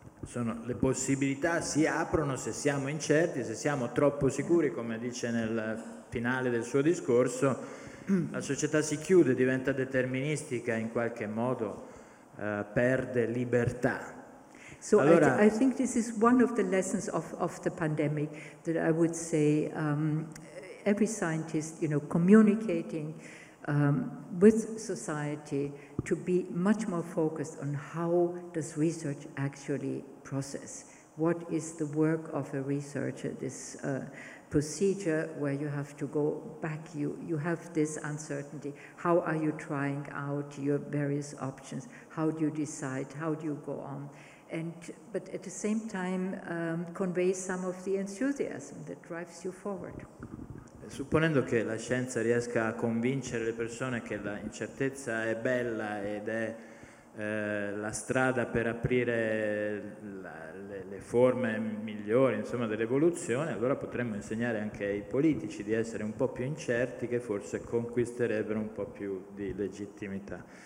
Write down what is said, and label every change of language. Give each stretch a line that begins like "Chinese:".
Italian: Sono le possibilità si aprono se siamo incerti, se siamo troppo sicuri, come dice nel finale del suo discorso, la società si chiude, diventa deterministica in qualche modo, perde libertà.
English: So allora, I think this is one of the lessons of the pandemic that I would say every scientist, you know, communicating with society to be much more focused on how does research actually process. What is the work of a researcher, this procedure where you have to go back, you have this uncertainty. How are you trying out your various options? How do you decide? How do you go on? But at the same time, convey some of the enthusiasm that drives you forward.
Italian: Supponendo che la scienza riesca a convincere le persone che la incertezza è bella ed è la strada per aprire le forme migliori, insomma, dell'evoluzione, allora potremmo insegnare anche ai politici di essere un po' più incerti, che forse conquisterebbero un po' più di legittimità.